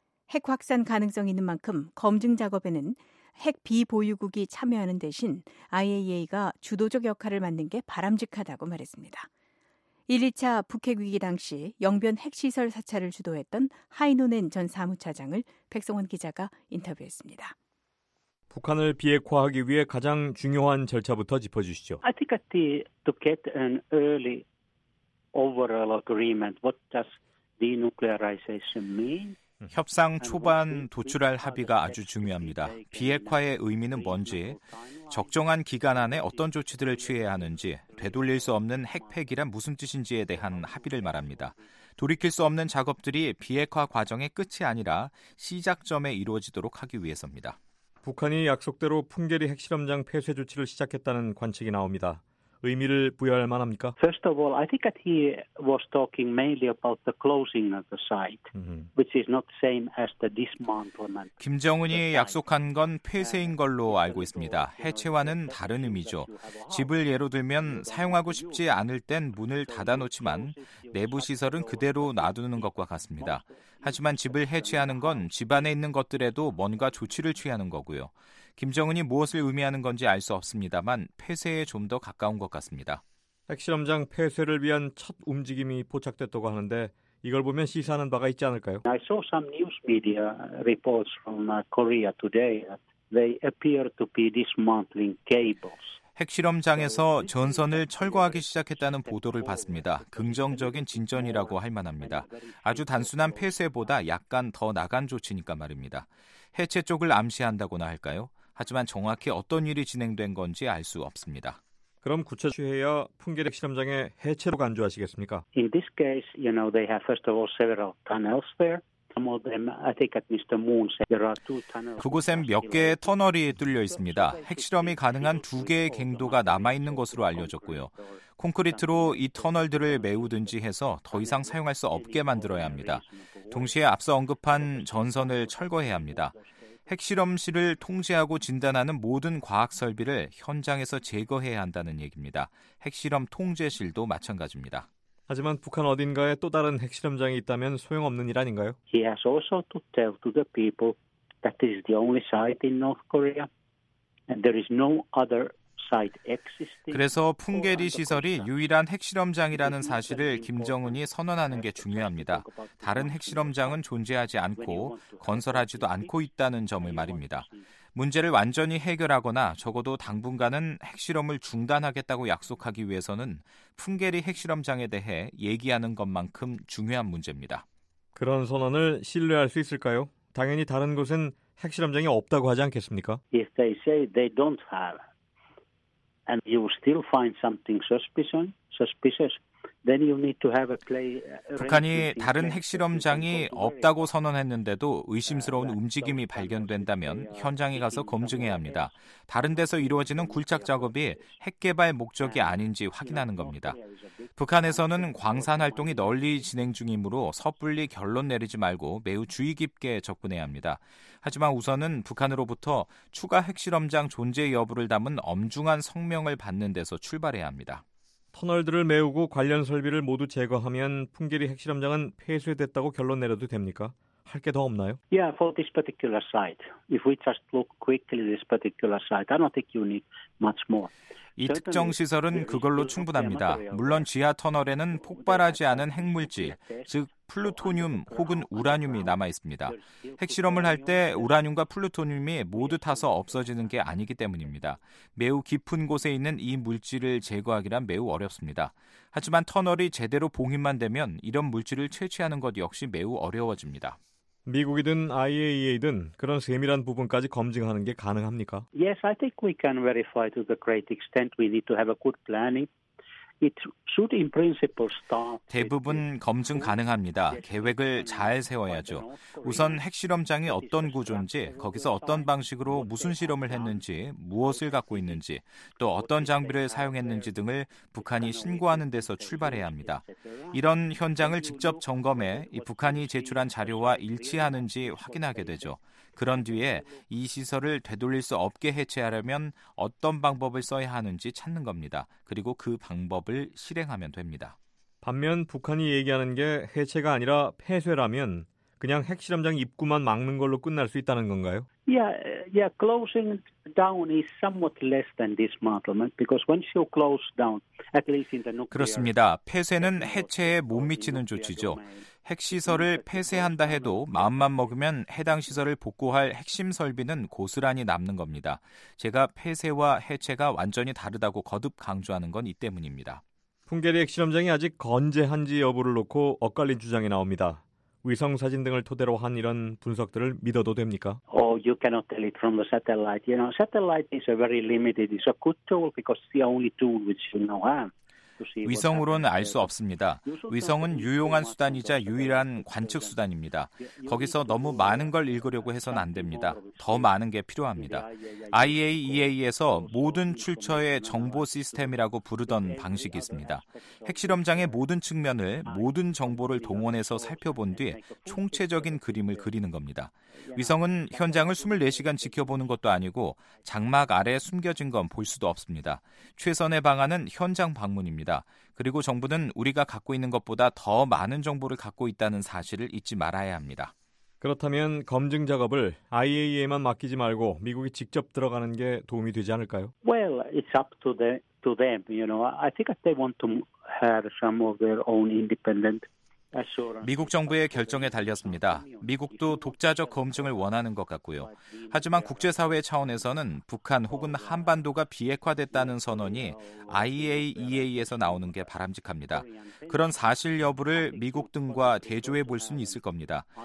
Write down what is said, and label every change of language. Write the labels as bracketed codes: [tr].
[ko] 핵 확산 가능성이 있는 만큼 검증 작업에는 핵 비보유국이 참여하는 대신 IAEA가 주도적 역할을 맡는 게 바람직하다고 말했습니다. 1, 2차 북핵위기 당시 영변 핵시설 사찰을 주도했던 하이노넨 전 사무차장을 백성원 기자가 인터뷰했습니다. 북한을 비핵화하기 위해 가장 중요한 절차부터 짚어주시죠. [en] I think that to get an early overall agreement, what does denuclearization mean? [ko] 협상 초반 도출할 합의가 아주 중요합니다. 비핵화의 의미는 뭔지, 적정한 기간 안에 어떤 조치들을 취해야 하는지, 되돌릴 수 없는 핵폐기란 무슨 뜻인지에 대한 합의를 말합니다. 돌이킬 수 없는 작업들이 비핵화 과정의 끝이 아니라 시작점에 이루어지도록 하기 위해서입니다. 북한이 약속대로 풍계리 핵실험장 폐쇄 조치를 시작했다는 관측이 나옵니다. 의미를 부여할 만합니까? [en] First of all, I think that he was talking mainly about the closing of the site, which is not the same as the dismantlement. [ko] 김정은이 약속한 건 폐쇄인 걸로 알고 있습니다. 해체와는 다른 의미죠. 집을 예로 들면 사용하고 싶지 않을 땐 문을 닫아 놓지만 내부 시설은 그대로 놔두는 것과 같습니다. 하지만 집을 해체하는 건 집 안에 있는 것들에도 뭔가 조치를 취하는 거고요. 김정은이 무엇을 의미하는 건지 알 수 없습니다만 폐쇄에 좀 더 가까운 것 같습니다. 핵실험장 폐쇄를 위한 첫 움직임이 포착됐다고 하는데 이걸 보면 시사하는 바가 있지 않을까요? [en] I saw some news media reports from Korea today that they appear to be dismantling cables. [ko] 핵실험장에서 전선을 철거하기 시작했다는 보도를 봤습니다. 긍정적인 진전이라고 할 만합니다. 아주 단순한 폐쇄보다 약간 더 나간 조치니까 말입니다. 해체 쪽을 암시한다고나 할까요? 하지만 정확히 어떤 일이 진행된 건지 알 수 없습니다. 그럼 구체적으로 해야 풍계리 핵실험장의 해체로 간주하시겠습니까? [en] In this case, you know, they have first of all several tunnels there. I think at Mr. Moon said there are two tunnels. [ko] 그곳엔 몇 개의 터널이 뚫려 있습니다. 핵실험이 가능한 두 개의 갱도가 남아 있는 것으로 알려졌고요. 콘크리트로 이 터널들을 메우든지 해서 더 이상 사용할 수 없게 만들어야 합니다. 동시에 앞서 언급한 전선을 철거해야 합니다. 핵실험실을 통제하고 진단하는 모든 과학 설비를 현장에서 제거해야 한다는 얘기입니다. 핵실험 통제실도 마찬가지입니다. 하지만 북한 어딘가에 또 다른 핵실험장이 있다면 소용없는 일 아닌가요? [en] He has also to tell to the people that this is the only site in North Korea and there is no other site existing. [ko] 그래서 풍계리 시설이 유일한 핵실험장이라는 사실을 김정은이 선언하는 게 중요합니다. 다른 핵실험장은 존재하지 않고 건설하지도 않고 있다는 점을 말입니다. 문제를 완전히 해결하거나 적어도 당분간은 핵실험을 중단하겠다고 약속하기 위해서는 풍계리 핵실험장에 대해 얘기하는 것만큼 중요한 문제입니다. 그런 선언을 신뢰할 수 있을까요? 당연히 다른 곳은 핵실험장이 없다고 하지 않겠습니까? [en] If they say they don't have and you still find something suspicious, then you need to have a play. [ko] 북한이 다른 핵실험장이 없다고 선언했는데도 의심스러운 움직임이 발견된다면 현장에 가서 검증해야 합니다. 다른 데서 이루어지는 굴착 작업이 핵 개발 목적이 아닌지 확인하는 겁니다. 북한에서는 광산 활동이 널리 진행 중이므로 섣불리 결론 내리지 말고 매우 주의 깊게 접근해야 합니다. 하지만 우선은 북한으로부터 추가 핵실험장 존재 여부를 담은 엄중한 성명을 받는 데서 출발해야 합니다. 터널들을 메우고 관련 설비를 모두 제거하면 풍계리 핵실험장은 폐쇄됐다고 결론 내려도 됩니까? 할 게 더 없나요? [en] Yeah, for this particular site. If we just look quickly at this particular site, I don't think you need much more. [ko] 이 특정 시설은 그걸로 충분합니다. 물론 지하 터널에는 폭발하지 않은 핵물질, 즉 플루토늄 혹은 우라늄이 남아 있습니다. 핵실험을 할 때 우라늄과 플루토늄이 모두 타서 없어지는 게 아니기 때문입니다. 매우 깊은 곳에 있는 이 물질을 제거하기란 매우 어렵습니다. 하지만 터널이 제대로 봉인만 되면 이런 물질을 채취하는 것 역시 매우 어려워집니다. 미국이든 IAEA든 그런 세밀한 부분까지 검증하는 게 가능합니까? [en] Yes, I think we can verify to the great extent. We need to have a good planning. It should in principle start. [ko] 대부분 검증 가능합니다. 계획을 잘 세워야죠. 우선 핵실험장이 어떤 구조인지, 거기서 어떤 방식으로 무슨 실험을 했는지, 무엇을 갖고 있는지, 또 어떤 장비를 사용했는지 등을 북한이 신고하는 데서 출발해야 합니다. 이런 현장을 직접 점검해 이 북한이 제출한 자료와 일치하는지 확인하게 되죠. 그런 뒤에 이 시설을 되돌릴 수 없게 해체하려면 어떤 방법을 써야 하는지 찾는 겁니다. 그리고 그 방법을 실행하면 됩니다. 반면 북한이 얘기하는 게 해체가 아니라 폐쇄라면 그냥 핵실험장 입구만 막는 걸로 끝날 수 있다는 건가요? [en] Yeah, closing down is somewhat less than dismantlement because once you close down, at least in the nuclear. [ko] 그렇습니다. 폐쇄는 해체에 못 미치는 조치죠. 핵시설을 폐쇄한다 해도 마음만 먹으면 해당 시설을 복구할 핵심 설비는 고스란히 남는 겁니다. 제가 폐쇄와 해체가 완전히 다르다고 거듭 강조하는 건 이 때문입니다. 풍계리 핵실험장이 아직 건재한지 여부를 놓고 엇갈린 주장이 나옵니다. 위성 사진 등을 토대로 한 이런 분석들을 믿어도 됩니까? [en] Oh, you cannot tell it from the satellite. You know, satellite is a very limited. It's a good tool because it's the only tool which you know have. [ko] 위성으로는 알 수 없습니다. 위성은 유용한 수단이자 유일한 관측 수단입니다. 거기서 너무 많은 걸 읽으려고 해서는 안 됩니다. 더 많은 게 필요합니다. IAEA에서 모든 출처의 정보 시스템이라고 부르던 방식이 있습니다. 핵실험장의 모든 측면을 모든 정보를 동원해서 살펴본 뒤 총체적인 그림을 그리는 겁니다. 위성은 현장을 24시간 지켜보는 것도 아니고 장막 아래 숨겨진 건 볼 수도 없습니다. 최선의 방안은 현장 방문입니다. 그리고 정부는 우리가 갖고 있는 것보다 더 많은 정보를 갖고 있다는 사실을 잊지 말아야 합니다. 그렇다면 검증 작업을 IAEA만 맡기지 말고 미국이 직접 들어가는 게 도움이 되지 않을까요? [en] Well, it's up to them, you know. I think they want to have some of their own independent. [ko] 미국 정부의 결정에 달렸습니다. 미국도 독자적 검증을 원하는 것 같고요. 하지만 국제사회 차원에서는 북한 혹은 한반도가 비핵화됐다는 선언이 IAEA에서 나오는 게 바람직합니다. 그런 사실 여부를 미국 등과 대조해 볼 수는 있을 겁니다.